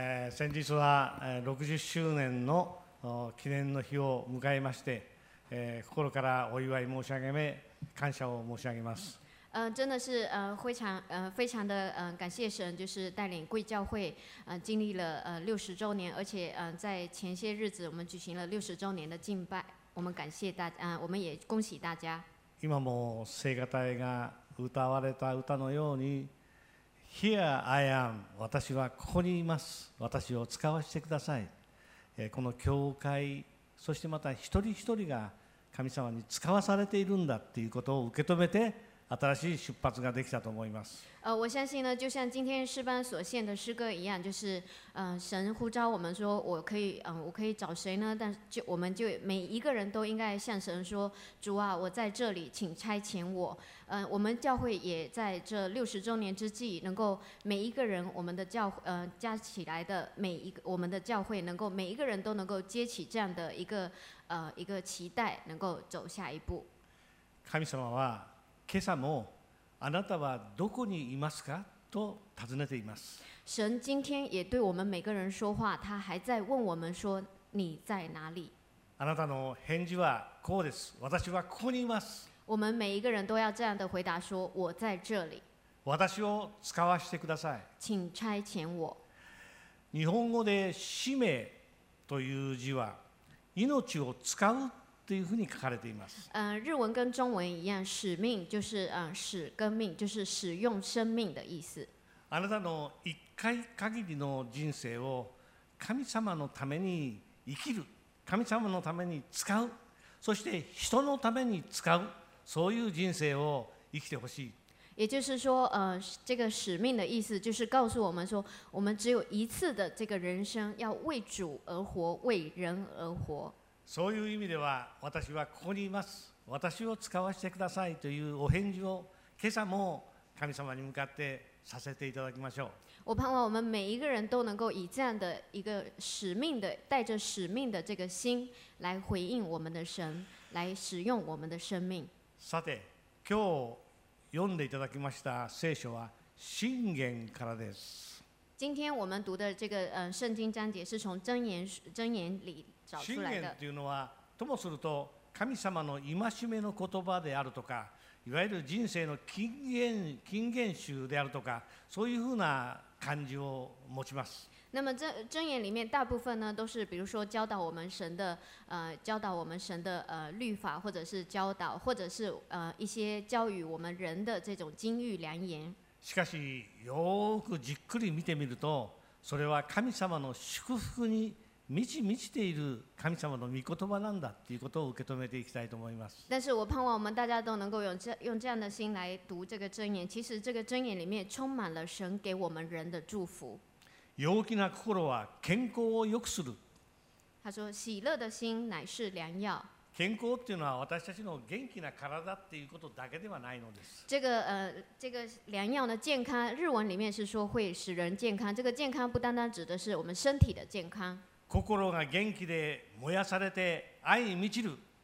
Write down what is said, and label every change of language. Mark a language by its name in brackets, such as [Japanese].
[Japanese] 先日は60周年の記念の日を迎えまして、心からお祝い申し上げめ感謝を申し上げます。 [Chinese] 真的是非常非常的感谢神，就是带领贵教会经历了60周年，而且在前些日子我们举行了60周年的敬拜，我们感谢大家，我们也恭喜大家。 [Japanese] 今も聖歌隊が歌われた歌のように、 [English] Here I am、 [Japanese] 私はここにいます、私を使わせてください。この教会、そしてまた一人一人が神様に使わされているんだということを受け止めて新しい出発ができたと思います。 [Chinese] 我相信呢，就像今天诗班所献的诗歌一样，就是神呼召我们说，我可以找谁呢？但就我们就每一个人都应该向神说，主啊，我在这里，请差遣我。我们教会也在这六十周年之际，能够每一个人，我们的教加起来的每一个我们的教会，能够每一个人都能够接起这样的一个期待，能够走下一步。 [Japanese] 神様は今朝もあなたはどこにいますかと尋ねています。 [Chinese] 神今天也对我们每个人说话，他还在问我们说你在哪里。 [Japanese] あなたの返事はこうです、私はここにいます。 [Chinese] 我们每一个人都要这样的回答说，我在这里， [Japanese] 私を使わせてください， [Chinese] 请差遣我。 [Japanese] 日本語で使命という字は命を使うというふうに書かれています。 [Chinese] 日文跟中文一样，使命就是使跟命就是使用生命的意思。 [Japanese] あなたの一回限りの人生を神様のために生きる、神様のために使う、そして人のために使う、そういう人生を生きてほしい。 [Chinese] 也就是说，这个使命的意思就是告诉我们说，我们只有一次的这个人生，要为主而活，为人而活。 [Japanese] そういう意味では、私はここにいます、私を使わせてくださいというお返事を今朝も神様に向かってさせていただきましょう。 [Chinese] 我盼望我们每一个人都能够以这样的一个使命的带着使命的这个心来回应我们的神，来使用我们的生命。 [Japanese] さて、今日読んでいただきました聖書は箴言からです。 [Chinese] 今天我们读的这个圣经章节是从箴言里。 [Japanese] 箴言というのは、ともすると神様の戒めの言葉であるとか、いわゆる人生の金言集であるとか、そういうふうな感じを持ちます。 [Chinese] 那么箴言里面大部分呢，都是比如说教导我们神的教导我们神的律法，或者是教导，或者是一些教育我们人的这种金玉良言。 [Japanese] しかし、よくじっくり見てみると、それは神様の祝福に満ち満ちている神様の御言葉なんだということを受け止めていきたいと思います。 [Chinese] 但是我盼望我们大家都能够用这样的心来读这个箴言，其实这个箴言里面充满了神给我们人的祝福。 [Japanese] 陽気な心は健康を良くする。 [Chinese] 他说喜乐的心乃是良药。 [Japanese] 健康っていうのは私たちの元気な体っていうことだけではないのです。 [Chinese] 这个良药呢，健康日文里面是说会使人健康，这个健康不单单指的是我们身体的健康。 [Japanese] 心が元気で燃やされて愛に満ちる。